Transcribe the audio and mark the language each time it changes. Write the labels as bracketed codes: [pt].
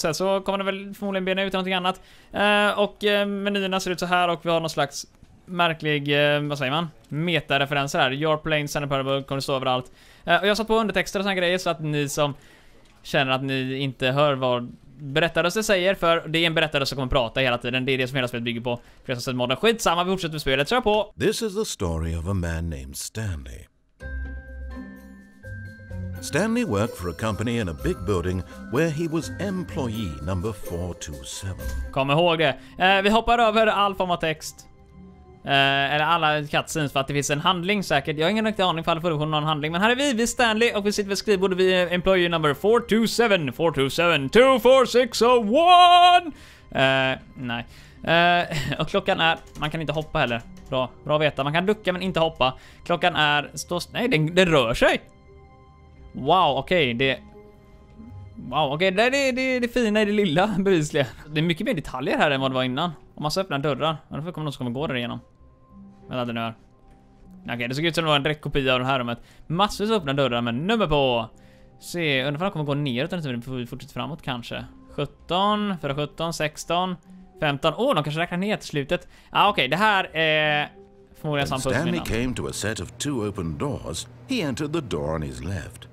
[sv] Sen så kommer den väl förmodligen bena ut någonting annat. Och menyerna ser ut så här, och vi har någon slags märklig, vad säger man, meta-referenser här. [en] Your plane, [sv] Stanley Parable, kommer att stå överallt. Och jag satt på undertexter och såna grejer, så att ni som känner att ni inte hör vad berättarröst säger, för det är en berättare som kommer prata hela tiden. Det är det som hela spelet bygger på. För jag har sett modern skit, samma, vi fortsätter med spelet, kör på! [en] This is the story of a man named Stanley. Stanley worked for a company in a big building where he was employee number 427. [sv] Kom ihåg det. Vi hoppar över all form av text. Eller alla cutscenes, för att det finns en handling säkert. Jag har ingen riktig aning om det funnits någon handling. Men här är vi Stanley, och vi sitter vid skrivbordet. Vi är [en] employee number 427. [sv] 427 24601. Nej. Och klockan är... Man kan inte hoppa heller. Bra, bra att veta. Man kan ducka men inte hoppa. Klockan är... Nej, den rör sig. Wow, okej, okay, det... Wow, okej, okay, det fina i det lilla, bevisligen. Det är mycket mer detaljer här än vad det var innan. Om man så öppnar dörrar, varför kommer någon som kommer gå där igenom? Vad är det nu här? Okej, okay, det såg ut som det var en direkt kopia av det här rummet. Massvis öppna dörrar, men nummer på! Se, undrar om de kommer gå ner utan att vi fortsätter framåt, kanske. 17, 417, 16, 15... Åh, oh, de kanske räknar ner till slutet. Ja, ah, okej, okay, det här är... [en] Stanley came to a set of two open doors. He entered the door on his left.